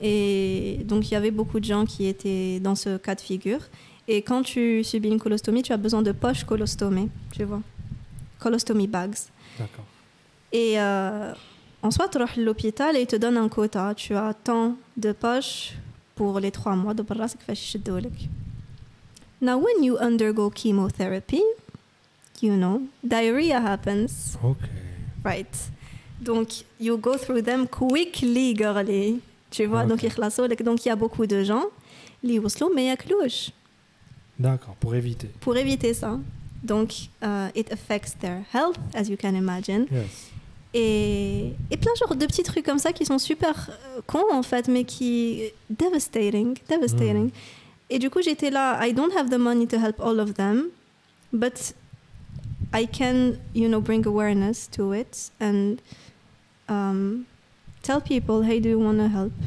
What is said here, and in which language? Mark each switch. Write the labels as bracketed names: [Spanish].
[French] Et donc, il y avait beaucoup de gens qui étaient dans ce cas de figure. Et quand tu subis une colostomie, tu as besoin de poches colostomées, tu vois. [English] Colostomy bags. [French] D'accord. Et en soi, tu vas à l'hôpital et ils te donnent un quota. Tu as tant de poches pour les 3 mois. De là, c'est que tu fais chier. [English] Now, when you undergo chemotherapy, you know, diarrhea happens. Okay. Right. [French] Donc, [English] you go through them quickly, girly. [French] Tu vois, [English] okay. [French] Donc, il y a beaucoup de gens. Ils vont se mettre à cloche. D'accord, pour éviter. Pour éviter ça. Donc, [English] it affects their health, as you can imagine. Yes. [French] Et plein genre de petits trucs comme ça qui sont super cons, en fait, mais qui... [English] Devastating. Mm. [French] Et du coup, j'étais là, [English] I don't have the money to help all of them, but I can, you know, bring awareness to it and tell people, hey, do you want to help?